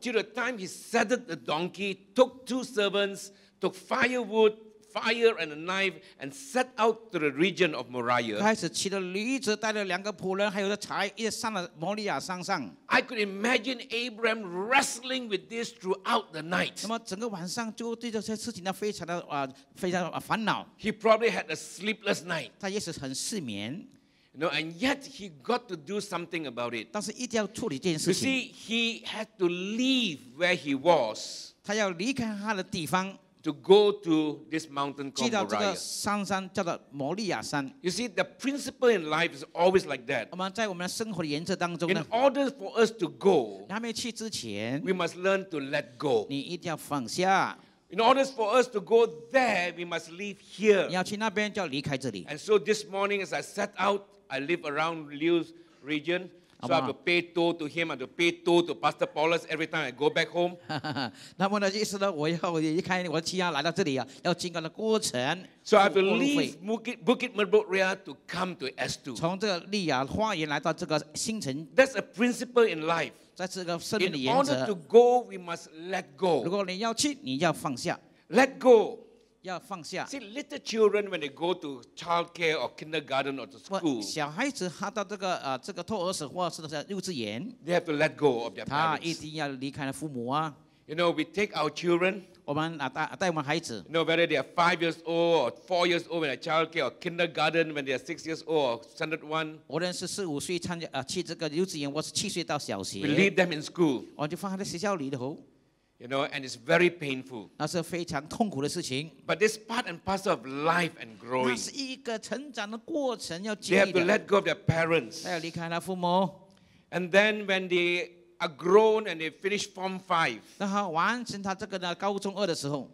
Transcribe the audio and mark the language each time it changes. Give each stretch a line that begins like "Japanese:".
English: To the time he saddled the donkey, took two servants, took firewood, fire and a knife, and set out to the region of Moriah.
Chinese: 开始骑着驴子，带着两个仆人，还有柴，一直上了摩利亚山上。
English: I could imagine Abraham wrestling with this throughout the night.
Chinese: 那么整个晚上就对这些事情呢，非常的非常烦恼。
English: He probably had a sleepless night.
Chinese: 他也是很失眠。
English: You know, and yet he got to do something about it.
Chinese: 但是一定要处理这件事情。
English: You see, he had to leave where he was.
Chinese: 他要离开他的地方。
English: To go to this mountain called Moriah.
Chinese: 去到这个山叫做摩利亚山。
English: You see, the principle in life is always like that.
Chinese: 我们在我们生活的原则当中呢。
English: In order for us to go,
Chinese: 还没去之前
English: we must learn to let go.
Chinese: 你一定要放下。
English: In order for us to go there, we must leave here.
Chinese: 你要去那边就要离开这里。
English: And so this morning, as I set out, I live around Liu's region. So I have to pay toll to him, I have to pay toll to Pastor Paulus every time I go back home.
Chinese: 那么呢，意思呢，我要离开我的家来到这里啊，要经过的过程。
English: So I have to leave Bukit Merbok Ria to come to S2.
Chinese: 从这个利亚花园来到这个新城。
English: That's a principle in life.
Chinese: 在这个生命的原则。
English: In order to go, we must let go.
Chinese: 如果你要去，你要放下。
English: Let go.
Chinese: 要放下。
English: See little children when they go to childcare or kindergarten or to school.
Chinese: 小孩子他到这个这个托儿所或者是幼稚园。
English: They have to let go of their parents.
Chinese: 他一定要离开父母啊。
English: You know we take our children.
Chinese: 我们带我们孩子。
English: You know whether they are 5 years old or 4 years old when they are childcare or kindergarten when they are 6 years old or standard one.
Chinese: 无论是四五岁参加去这个幼稚园，或是七岁到小学。
English: We leave them in school.
Chinese: 我就放在学校里头。
English: You know, and it's very painful.
Chinese: 那是非常痛苦的事情。
English: But this part and parcel of life and growing.
Chinese: 那是一个成长的过程要经历的。
English: They have to let go of their parents.
Chinese: 要离开他父母。
English: And then when they are grown and they finish form five.
Chinese: 那他完成他这个的高中二的时候。